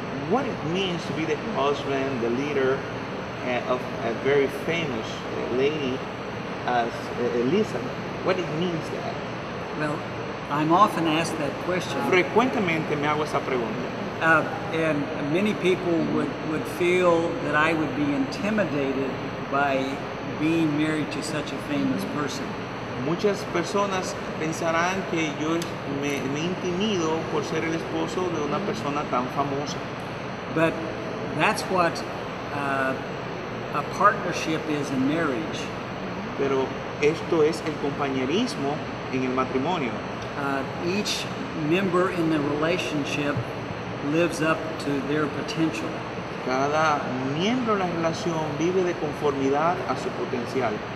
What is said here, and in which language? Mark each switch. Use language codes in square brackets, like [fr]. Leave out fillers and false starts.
[en] What it means to be the husband, the leader of a very famous lady as Elizabeth? What it means that? Well, I'm often asked that question. [es] Frecuentemente me hago esa pregunta. [en] And many people would feel that I would be intimidated by being married to such a famous person. [es] Muchas personas pensarán que yo me intimido por ser el esposo de una persona tan famosa. [en] But that's what a partnership is in marriage. [es] Pero esto es el compañerismo en el matrimonio. [en] Each member in the relationship lives up to their potential. [es] Cada miembro de la relación vive de conformidad a su potencial.